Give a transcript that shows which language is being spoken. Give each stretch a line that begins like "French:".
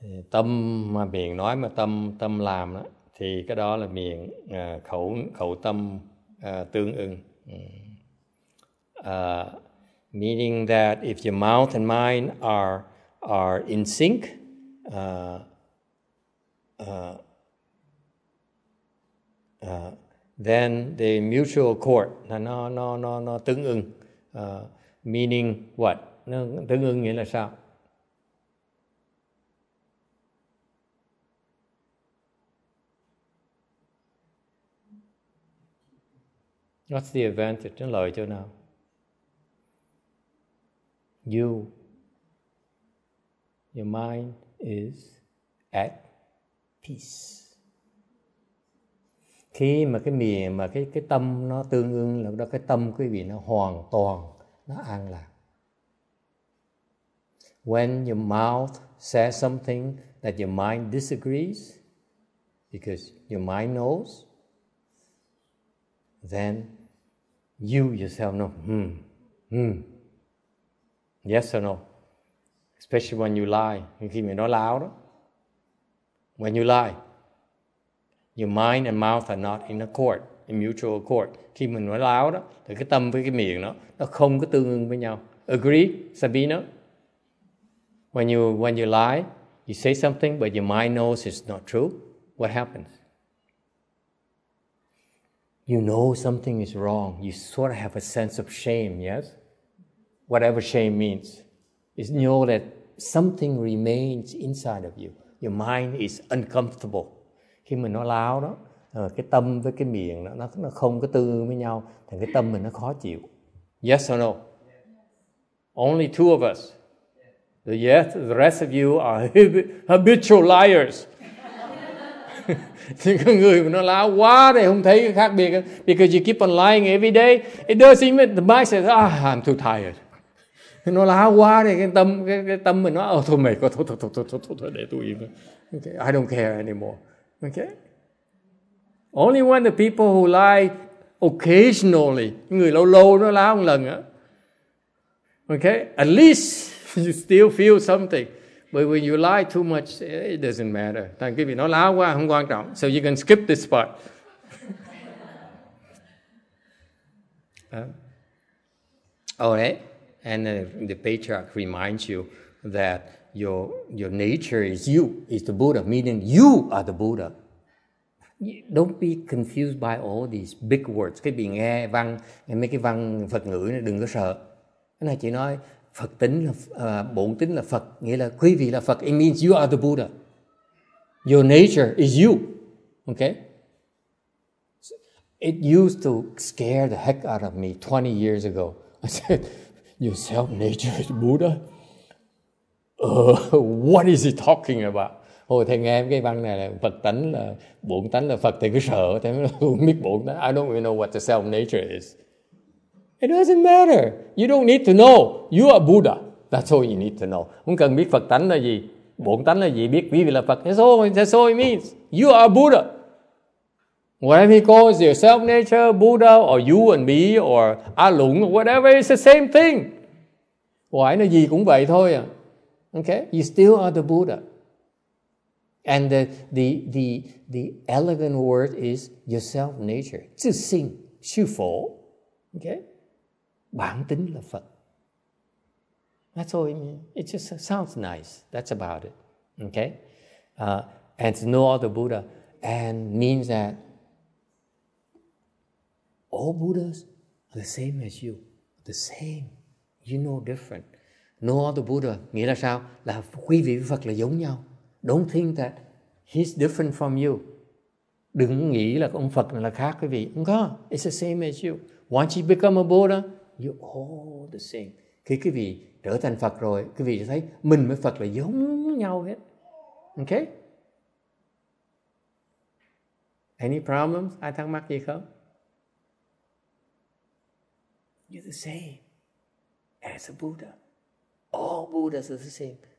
Vietnamese: Tâm mà miệng nói mà tâm làm đó, thì cái đó là miệng khẩu tâm tương ưng.
English: Meaning that if your mouth and mind are in sync, then the mutual accord
Vietnamese: nó tương ưng.
English: Meaning what?
Vietnamese: Nó tương ứng nghĩa là sao?
English: What's the advantage?
Vietnamese: Nó lợi chỗ nào?
English: Your mind is at peace.
Vietnamese: Khi mà cái miệng mà cái tâm nó tương ứng là đó, cái tâm quý vị nó hoàn toàn nó an lạc.
English: When your mouth says something that your mind disagrees, because your mind knows, then you yourself know, yes or no. Especially when you lie.
Vietnamese: Khi mình nói láo đó.
English: When you lie, your mind and mouth are not in accord, in mutual accord.
Vietnamese: Khi mình nói láo đó, thì cái tâm với cái miệng đó, nó không có tương ứng với nhau.
English: Agree, Sabina? When you lie, you say something, but your mind knows it's not true, what happens? You know something is wrong. You sort of have a sense of shame, yes? Whatever shame means. You know that something remains inside of you. Your mind is uncomfortable.
Vietnamese: Khi mình nói láo đó, cái tâm với cái miệng đó, nó không có tương ứng với nhau, thì cái tâm mình nó khó chịu.
English: Yes or no? Yeah. Only two of us. Yeah. The rest of you are habitual liars.
Vietnamese: Thì cái người mà nó láo quá thì không thấy cái khác biệt.
English: Because you keep on lying every day, it does seem that the mind says, I'm too tired.
Vietnamese: Nó láo quá thì cái tâm mình nó, thôi mệt quá, thôi, để tôi im.
English: Okay. I don't care anymore. Okay? Only when the people who lie occasionally,
Vietnamese: người lâu lâu nó láo một lần á.
English: Okay? At least you still feel something. But when you lie too much, it doesn't matter.
Vietnamese: Thằng quý vị nó láo quá, không quan trọng.
English: So you can skip this part. All right. And the patriarch reminds you that your nature is you, is the Buddha, meaning you are the Buddha. Don't be confused by all these big words.
Vietnamese: Cái bị nghe văn, nghe mấy cái văn Phật ngữ này đừng có sợ. Cái này chỉ nói Phật tính là bổn tính là Phật, nghĩa là quý vị là Phật.
English: It means you are the Buddha. Your nature is you. Okay? It used to scare the heck out of me 20 years ago. I said, your self nature is Buddha? What is he talking about?
Vietnamese: Hồi thầy nghe cái văn này là Phật tánh là bổn tánh là Phật thì cứ sợ, thầy không biết bổn tánh.
English: I don't even know what the self nature is. It doesn't matter. You don't need to know. You are Buddha. That's all you need to know.
Vietnamese: Không cần biết Phật tánh là gì, bổn tánh là gì, biết quý vị là Phật.
English: That's all it means. You are Buddha. Whatever he calls your self nature, Buddha, or you and me, or A Lũng, or whatever, it's the same thing. Why?
Vietnamese: Nó gì cũng vậy thôi à.
English: Okay? You still are the Buddha. And the elegant word is your self nature.
Vietnamese: Tự sinh, sư phổ. Okay? Bản tính là Phật.
English: That's all it means. It just sounds nice. That's about it. Okay? And to know all the Buddha and means that all Buddhas are the same as you. The same. You know different. Know all the Buddha.
Vietnamese: Nghĩa là sao? Là quý vị với Phật là giống nhau.
English: Don't think that he's different from you.
Vietnamese: Đừng nghĩ là ông Phật là khác quý vị. Không có.
English: It's the same as you. Once you become a Buddha, you're all the same.
Vietnamese: Khi quý vị trở thành Phật rồi, quý vị sẽ thấy mình với Phật là giống nhau hết.
English: Okay? Any problems?
Vietnamese: Ai thắc mắc gì không?
English: You're the same as a Buddha. All Buddhas are the same.